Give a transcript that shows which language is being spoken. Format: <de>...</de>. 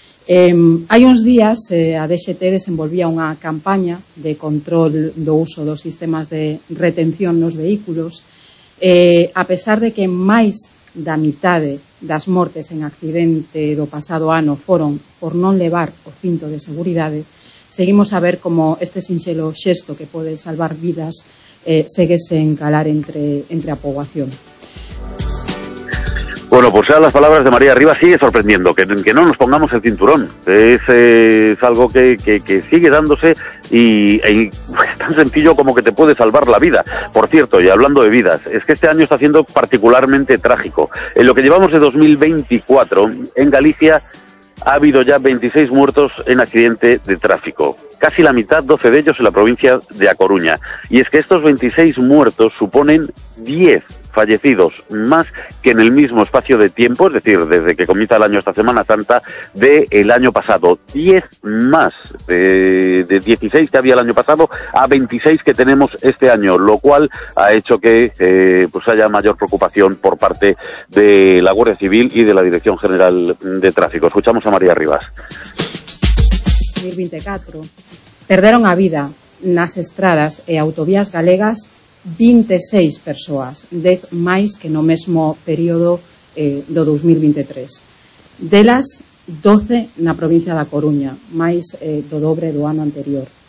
<gl>Hai uns días a DGT desenvolvía unha campaña de control do uso dos sistemas de retención nos vehículos, a pesar de que máis da mitade das mortes en accidente do pasado ano foron por non levar o cinto de seguridade, seguimos a ver como este sinxelo xesto que pode salvar vidas segue sen calar entre a poboación.</gl> <es>Bueno, pues sean las palabras de María Rivas, sigue sorprendiendo que no nos pongamos el cinturón. Es algo que sigue dándose y es tan sencillo como que te puede salvar la vida. Por cierto, y hablando de vidas, es que este año está siendo particularmente trágico. En lo que llevamos de 2024, en Galicia ha habido ya 26 muertos en accidente de tráfico. Casi la mitad, 12 de ellos, en la provincia de A Coruña. Y es que estos 26 muertos suponen 10 fallecidos más que en el mismo espacio de tiempo, es decir, desde que comienza el año hasta Semana Santa, del año pasado. 10 más de 16 que había el año pasado a 26 que tenemos este año, lo cual ha hecho que pues haya mayor preocupación por parte de la Guardia Civil y de la Dirección General de Tráfico. Escuchamos a María Rivas.</es> <gl>2024. Perderon a vida nas estradas e autovías galegas 26 persoas, 10 máis que no mesmo período do 2023. Delas, 12 na provincia da Coruña, máis do dobre do ano anterior.</gl>